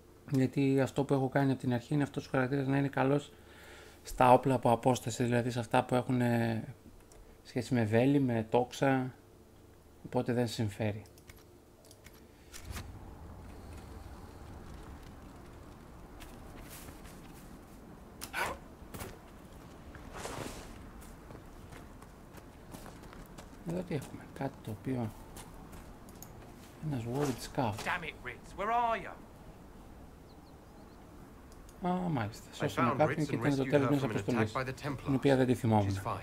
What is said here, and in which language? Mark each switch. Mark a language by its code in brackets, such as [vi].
[el] Γιατί αυτό που έχω κάνει από την αρχή είναι αυτός ο χαρακτήρας να είναι καλός στα όπλα από απόσταση, δηλαδή σε αυτά που έχουν σχέση με βέλη, με τόξα, οπότε δεν συμφέρει. Εδώ τι έχουμε, κάτι το οποίο... Ένας Worried Scout. [en] Damn it, Ritz, where are you? [el] Α, μάλιστα. Σώσαμε κάποιον και ήταν το τέλος μιας αποστολής, την οποία δεν τη θυμόμουν.